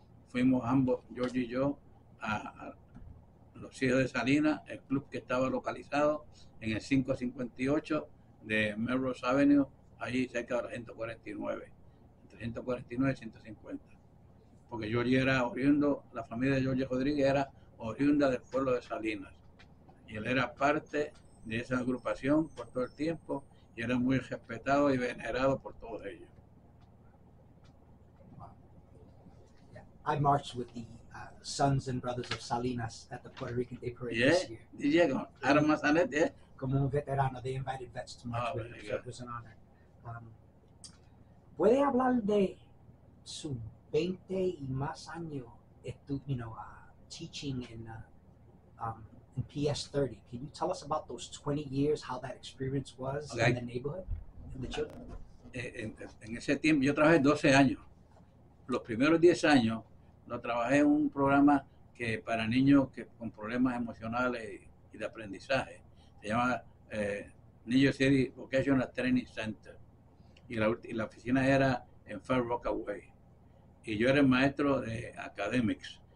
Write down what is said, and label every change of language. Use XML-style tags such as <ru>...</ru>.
<es>Fuimos ambos, George y yo, a los hijos de Salinas, el club que estaba localizado en el 558 de Melrose Avenue, ahí cerca de la 149, entre 149 y 150. Porque George era oriundo, la familia de George Rodríguez era oriunda del pueblo de Salinas. Y él era parte de esa agrupación por todo el tiempo y era muy respetado y venerado por todos ellos.</es> <en>I marched with the sons and brothers of Salinas at the Puerto Rican Day Parade this year. Did you go? Adam Mazanet, yeah?</en> <es>Como un veterano,</es> <en>they invited vets to march with him, so it was an honor.</en> <es>¿Puede hablar de su 20 y más años,</es> <en>you know, teaching in PS30? Can you tell us about those 20 years, how that experience was in the neighborhood, in the children?</en> <es>En ese tiempo, yo trabajé 12 años. Los primeros 10 años, lo trabajé en un programa que para niños que con problemas emocionales y de aprendizaje. Se llama New York City Vocational Training Center. Y la oficina era en Far Rockaway. Y yo era el maestro de academics.</es>